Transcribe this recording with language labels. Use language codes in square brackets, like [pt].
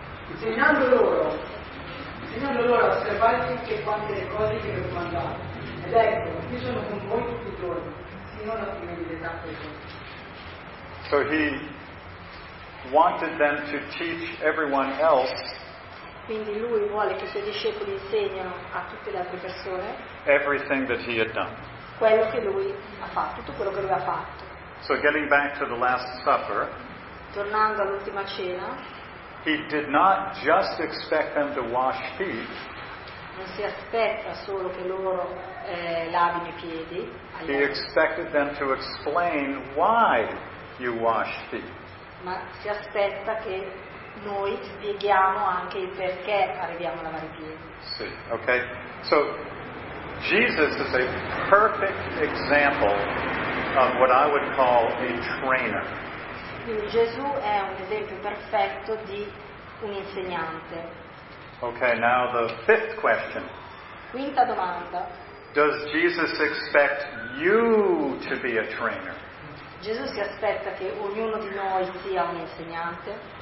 [it] Insegnando loro a osservare tutte quante le cose che vi ho mandato. Ed ecco, io sono con voi tutti i giorni, fino alla fine dell'età. [en] So he wanted them to teach everyone else. [it] Quindi lui vuole che i suoi discepoli insegnino a tutte le altre persone. [en] Everything that he had done. [it] Quello che lui ha fatto, tutto quello che lui ha fatto. [en] So getting back to the Last Supper. [it] Tornando all'ultima cena. [en] He did not just expect them to wash feet. [it] Non si aspetta solo che loro lavino i piedi. [en] He expected them to explain why you wash feet. [it] Ma si aspetta che noi spieghiamo anche il perché arriviamo a lavare i piedi. Sì, okay. [en] So Jesus is a perfect example of what I would call a trainer. [it] Quindi Gesù è un esempio perfetto di un insegnante. [en] Okay, now the fifth question. [it] Quinta domanda. [en] Does Jesus expect you to be a trainer? [it] Gesù si aspetta che ognuno di noi sia un insegnante?